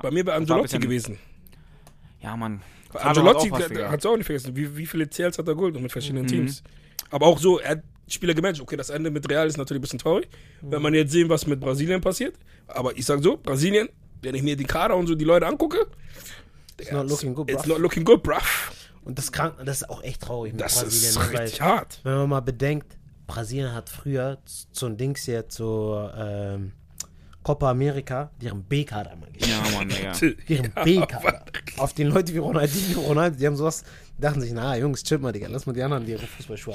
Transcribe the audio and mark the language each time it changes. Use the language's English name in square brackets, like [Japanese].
[German] Bei mir bei Ancelotti gewesen. Ja, Mann. Ancelotti hat es auch nicht vergessen. Wie viele CLs hat er geholt und mit verschiedenen Teams. Aber auch so, er hat Spieler gematcht. Okay, das Ende mit Real ist natürlich ein bisschen traurig. Wenn man jetzt sehen, was mit Brasilien passiert. Aber ich sag so, Brasilien, wenn ich mir den Kader und so die Leute angucke, [English] it's not looking good, bruv. [German] Und das krank, das ist auch echt traurig mit das Brasilien. Das ist richtig weil, hart. Wenn man mal bedenkt, Brasilien hat früher zu ein Dings hier, zur Copa America, deren B-Kader mal gespielt. Ja, Mann, Digga. Deren B-Kader. Ja, auf den Leute wie Ronaldo, die haben sowas, dachten sich, na Jungs, chill mal, Digga, lass mal die anderen, die ihre Fußballschuhe